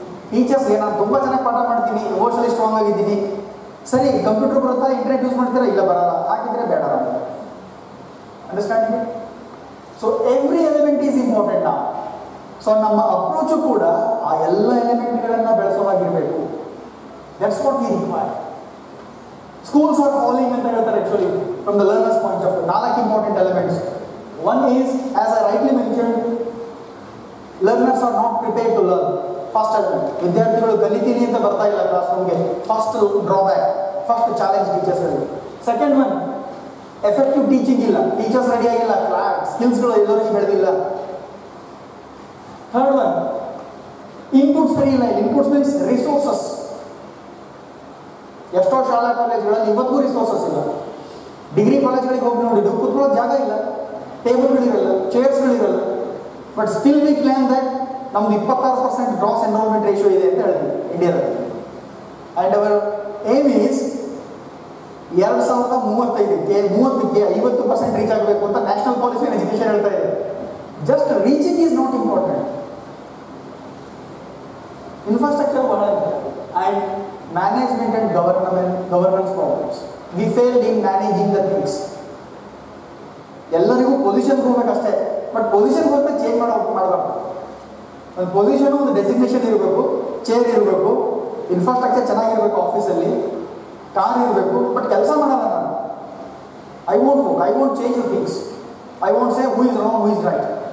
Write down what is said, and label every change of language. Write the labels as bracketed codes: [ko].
[kn] Teachers ಏನ ತುಂಬ ಚೆನ್ನಾಗಿ ಪಾಠ ಮಾಡ್ತೀನಿ, ಇಮೋಷನಲಿ ಸ್ಟ್ರಾಂಗ್ ಆಗಿದ್ದೀನಿ, ಸರಿ ಕಂಪ್ಯೂಟರ್ ಬರುತ್ತಾ ಇಂಟರ್ನೆಟ್ ಯೂಸ್ ಮಾಡ್ತೀರಾ, ಇಲ್ಲ ಬರಲ್ಲ, ಹಾಕಿದ್ರೆ ಬೇಡ. Understanding? [en] So every element is important. [kn] So ನಮ್ಮ ಅಪ್ರೋಚು ಕೂಡ ಆ ಎಲ್ಲ ಎಲಿಮೆಂಟ್ಗಳನ್ನು ಬೆಳೆಸೋವಾಗಿರಬೇಕು. [en] That's what we require. Schools are falling in the gutter actually from the learner's point of view. Now, like important elements. One is, as I rightly mentioned, learners are not prepared to learn. First element. [kn] Vidyarthigalu kalithirinte bartha illa classroom ge. [en] First drawback. First challenge teachers are. Second one, effective teaching illa. [kn] Teachers ready agilla. Skills galu ellaru beddilla. [en] Third one, [kn] inputs free illa. [en] Inputs means resources. [kn] ಎಷ್ಟೋ ಶಾಲಾ ಕಾಲೇಜ್ಗಳಲ್ಲಿ ಇವತ್ತಿಗೂ resources ಇಲ್ಲ. Degree ಕಾಲೇಜ್ಗಳಿಗೆ ಹೋಗಿ ನೋಡಿ, ಕುತ್ಕೊಳ್ಳೋ ಜಾಗ ಇಲ್ಲ, ಟೇಬಲ್ಗಳಿರಲ್ಲ, ಚೇರ್ಸ್ಗಳಿರಲ್ಲ. [en] but still we claim that ನಮ್ದು 26% gross enrolment ratio [kn] ಇದೆ ಅಂತ ಹೇಳಿದ್ವಿ ಇಂಡಿಯಾದಲ್ಲಿ. [en] and our aim is 2035 50% reach [kn] ಆಗಬೇಕು ಅಂತ [en] national policy on education [kn] ಹೇಳ್ತಾ ಇದೆ. [en] Just reaching is not important. Infrastructure ಬಹಳ and management and governance problems. We failed in managing the things. [kn] ಎಲ್ಲರಿಗೂ ಪೊಸಿಷನ್ ಕೊಡ್ಬೇಕಷ್ಟೇ, ಬಟ್ ಪೊಸಿಷನ್ ಕೊಟ್ಟರೆ ಚೇಂಜ್ ಮಾಡಬಾರ್ದು. ಒಂದು ಪೊಸಿಷನ್, ಒಂದು ಡೆಸಿಗ್ನೇಷನ್ ಇರಬೇಕು, ಚೇರ್ ಇರಬೇಕು, ಇನ್ಫ್ರಾಸ್ಟ್ರಕ್ಚರ್ ಚೆನ್ನಾಗಿರ್ಬೇಕು, ಆಫೀಸಲ್ಲಿ ಕಾರ್ ಇರಬೇಕು, ಬಟ್ ಕೆಲಸ ಮಾಡಲ್ಲ ನಾನು. [en] I want work, I want change your things, I want say who is wrong, who is right.